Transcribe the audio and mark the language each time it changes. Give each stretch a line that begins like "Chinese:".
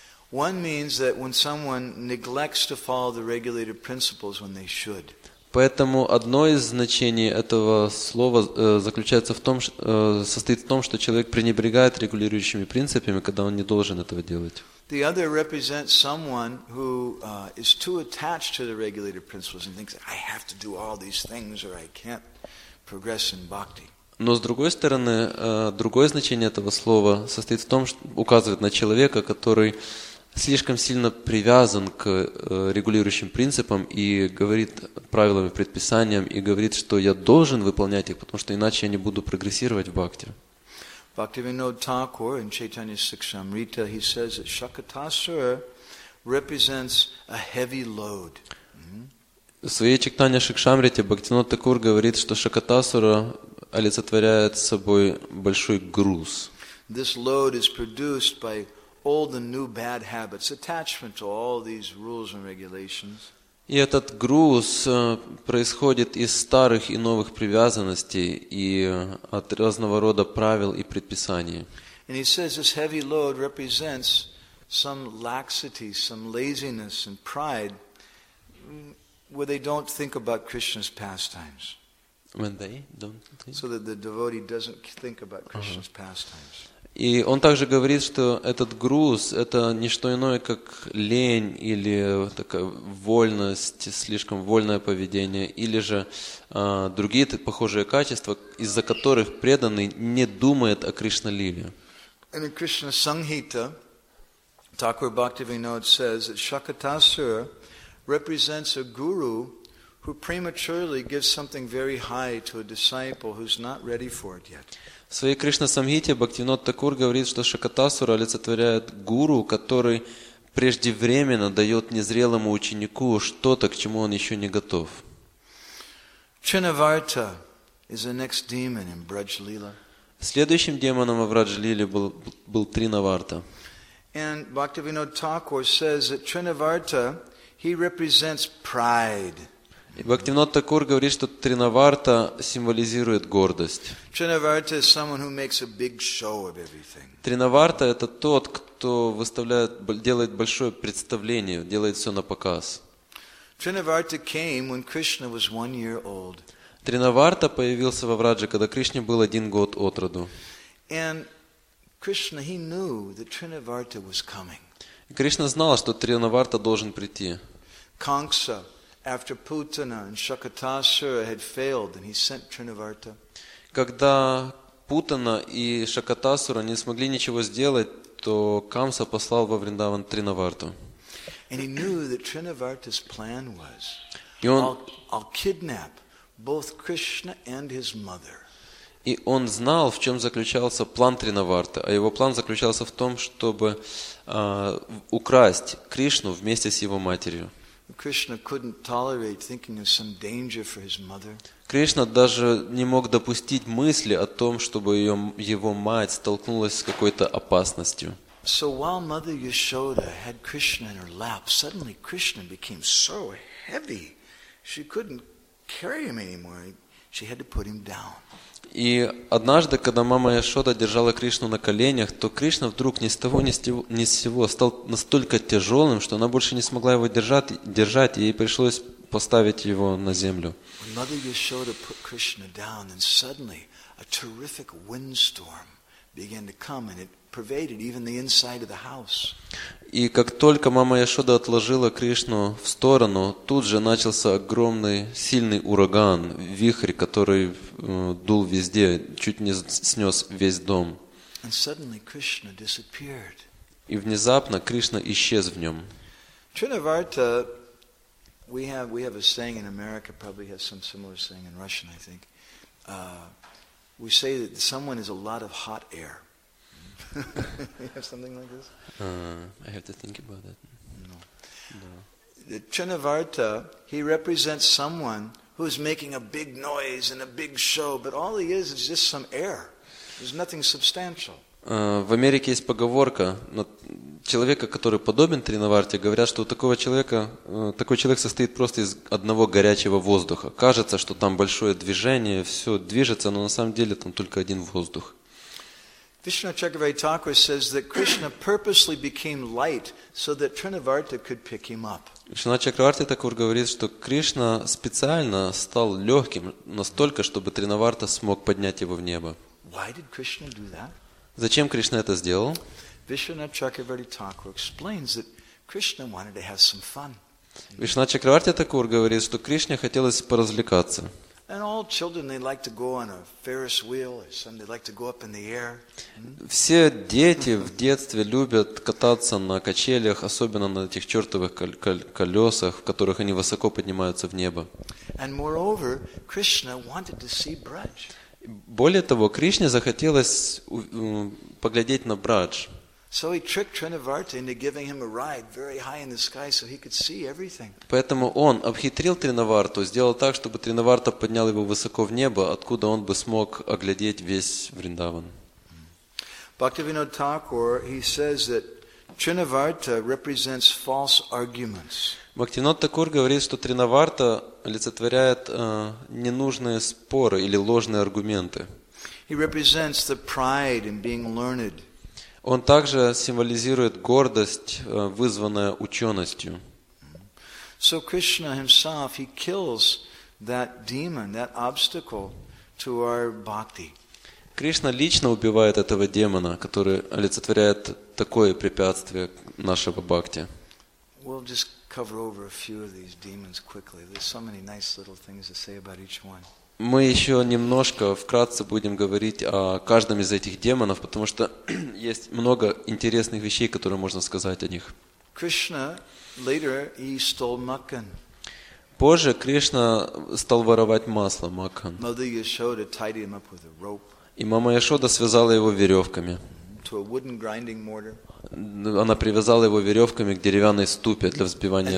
English: One means that when someone neglects to follow the regulated principles when they should.
Russian: Поэтому одно из значений этого слова заключается в том, состоит в том, что человек пренебрегает регулирующими принципами, когда он не должен этого делать.
English: The other represents someone who is too attached to the regulated principles and thinks I have to do all these things or I can't progress in bhakti.
Russian: Но с другой стороны, другое значение этого слова состоит в том, что указывает на человека, который слишком сильно привязан к регулирующим принципам и говорит правилам и предписаниям, и говорит, что я должен выполнять их, потому что иначе я не буду прогрессировать в бхакти.
English: Bhaktivinoda Thakur in Chaitanya Sikshamrita, he says that Shakatasura represents a heavy load.
Russian: В своей Чайтанья Сикхамрите Бхактивинода Такур говорит, что Шакатасура олицетворяет собой большой груз.
English: This load is produced by all the new bad habits, attachment to all these rules and regulations.
Russian: И этот груз происходит из старых и новых привязанностей и от разного рода правил и предписаний.
English: And he says this heavy load represents some laxity, some laziness and pride where they don't think about Krishna's pastimes. When they don't think? So that the devotee doesn't think about Krishna's pastimes.
Russian: И он также говорит, что этот груз – это не что иное, как лень или такая вольность, слишком вольное поведение, или же другие похожие качества, из-за которых преданный не думает о Кришна-лиле.
English: In Krishna Sanghita, Thakur Bhaktivinoda says that Shakatasura represents a guru who prematurely gives something very high to a disciple who's not ready for it yet.
Russian: В своей Кришна-самхите Бхактивинода Такур говорит, что Шакатасура олицетворяет гуру, который преждевременно дает незрелому ученику что-то, к чему он еще не готов.
English: Чинаварта is the next demon in Брадж-лила.
Russian: Следующим демоном в Брадж-лиле был Тринаварта.
English: And Bhaktivinoda Thakur says that Trinavarta, he represents pride.
Russian: И Бхактивинода Такур говорит, что Тринаварта символизирует гордость.
English: Trinavarta is someone who makes a big show of everything.
Russian: Тринаварта это тот, кто выставляет, делает большое представление, делает все на показ.
English: Trinavarta came when Krishna was 1 year old.
Russian: Тринаварта появился во Врадже, когда Кришне был 1 год от роду.
English: And Krishna, he knew that Trinavarta was coming.
Russian: Кришна знал, что Тринаварта должен прийти.
English: Kansa, after Putana and Shakatasura had failed, and he sent Trinavarta.
Russian: Когда Путана и Шакатасура не смогли ничего сделать, то Камса послал во Вриндаван Тринаварту.
English: And he knew that Trinavarta's plan was, I'll kidnap both Krishna and his mother.
Russian: И он знал, в чем заключался план Тринаварты, а его план заключался в том, чтобы украсть Кришну вместе с его матерью.
English: Krishna couldn't tolerate thinking of some danger for his mother.
Russian: Кришна даже не мог допустить мысли о том, чтобы его мать столкнулась с какой-то опасностью.
English: So while Mother Yashoda had Krishna in her lap, suddenly Krishna became so heavy, she couldn't carry him anymore. She had to put him down.
Russian: И однажды, когда мама Яшода держала Кришну на коленях, то Кришна вдруг ни с того ни с сего стал настолько тяжелым, что она больше не смогла его держать, и ей пришлось поставить его на землю.
English: When Mother Yashoda put Krishna down, then suddenly a terrific windstorm began to come, and it pervaded even the inside of the house.
Russian: И как только мама Яшода отложила Кришну в сторону, тут же начался огромный сильный ураган, вихрь, который дул везде, чуть не снес весь дом.
English: And suddenly Krishna disappeared.
Russian: И внезапно Кришна исчез в нем.
English: Trinavarta, we have a saying in America, probably has some similar saying in Russian, I think. We say that someone is a lot of hot air. You have something like this? I have to think about it. No. The Trinavarta, he represents someone who's making a big noise and a big show, but all he is just some air. There's nothing substantial.
Russian: В Америке есть поговорка на человека, который подобен Тринаварте, говорят, что у такого человека, такой человек состоит просто из одного горячего воздуха. Кажется, что там большое движение, все движется, но на самом деле там только один воздух.
English: Vishnu Chakravarti Thakur says that Krishna purposely became light so that Trinavarta could pick him up.
Russian: Vishnu Chakravarti Thakur говорит, что Кришна специально стал легким настолько, чтобы Тринаварта смог поднять его в небо.
English: Why did Krishna do that?
Russian: Зачем Кришна это сделал?
English: Vishnu Chakravarti Thakur explains that Krishna wanted to have some fun.
Russian: Vishnu Chakravarti Thakur говорит, что Кришне хотелось поразвлекаться.
English: And all children, they like to go on a Ferris wheel or something. They like to go up in the air.
Russian: Все дети в детстве любят кататься на качелях, особенно на этих чертовых колесах, в которых они высоко поднимаются в небо.
English: And moreover, Krishna wanted to see Braj.
Russian: Более того, Кришне захотелось поглядеть на Брадж.
English: So he tricked Trinavarta into giving him a ride very high in the sky so he could see everything.
Russian: Поэтому он обхитрил Тринаварту, сделал так, чтобы Тринаварта поднял его высоко в небо, откуда он бы смог оглядеть весь Вриндаван.
English: Bhaktivinoda Thakur, he says that Trinavarta represents false arguments.
Russian: Bhaktivinoda Thakur говорит, что Тринаварта олицетворяет ненужные споры или ложные аргументы.
English: He represents the pride in being learned.
Russian: Он также символизирует гордость, вызванная ученостью.
English: So Krishna himself, he kills that demon, that obstacle to our bhakti.
Russian: Кришна лично убивает этого демона, который олицетворяет такое препятствие нашего бхакти.
English: We'll just cover over a few of these demons quickly. There's so many nice little things to say about each one.
Russian: Мы еще немножко вкратце будем говорить о каждом из этих демонов, потому что есть много интересных вещей, которые можно сказать о них.
English: Krishna later he stole makkhan.
Russian: Позже Кришна стал воровать масло макхан.
English: Mother Yashoda tied him up with a rope.
Russian: И мама Яшода связала его веревками.
English: To a wooden grinding mortar.
Russian: Она привязала его веревками к деревянной ступе для взбивания.